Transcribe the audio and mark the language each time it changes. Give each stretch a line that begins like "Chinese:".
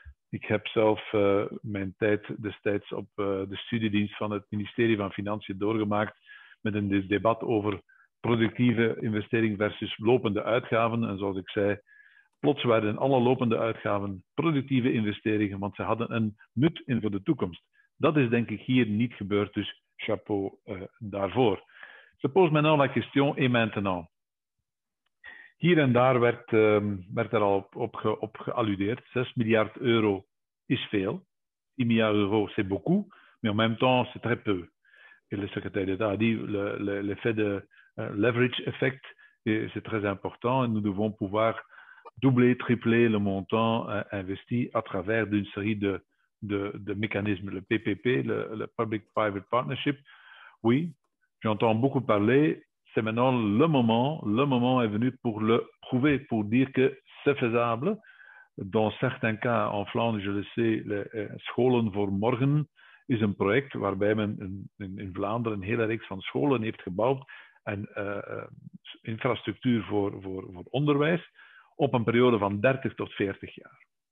Dutch: Ik heb zelf mijn tijd destijds op de studiedienst van het ministerie van Financiën doorgemaakt met een debat over productieve investering versus lopende uitgaven. En zoals ik zei, plots werden alle lopende uitgaven productieve investeringen, want ze hadden een nut in voor de toekomst. Dat is denk ik hier niet gebeurd, dus chapeau daarvoor.
French: Je pose maintenant la question et maintenant.
Dutch: Hier en daar werd er al op gealludeerd. 6 miljard euro is veel. 10 miljard euro,
French: c'est beaucoup. Mais en même temps, c'est très peu. Et le secrétaire d'État a dit l'effet de leverage effect, c'est très important. Nous devons pouvoir doubler, tripler le montant investi à travers d'une série de mécanismes. Le PPP, le Public-Private Partnership. Oui, j'entends beaucoup parler. C'est maintenant le moment est venu pour le prouver, pour dire que c'est faisable. Dans certains cas, en Flandre, je le sais,
Dutch: Scholen voor Morgen is
French: un projet
Dutch: waarbij men in Vlaanderen een hele reeks van scholen heeft gebouwd en infrastructuur voor onderwijs op een periode van 30 tot 40 jaar.